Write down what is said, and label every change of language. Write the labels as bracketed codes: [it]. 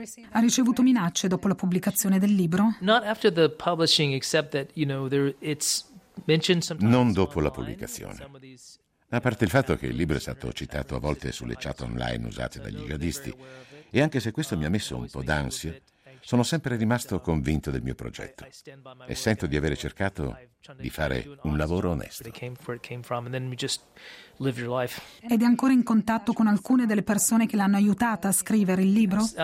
[it] Ha ricevuto minacce dopo la pubblicazione del libro? [en] Not after the publishing, except that, you know, there it's mentioned sometimes. [it] Non dopo la pubblicazione. A parte il fatto che il libro è stato citato a volte sulle chat online usate dagli jihadisti, e anche se questo mi ha messo un po' d'ansia, sono sempre rimasto convinto del mio progetto e sento di avere cercato di fare un lavoro onesto. Ed è ancora in contatto con alcune delle persone che l'hanno aiutata a scrivere il libro?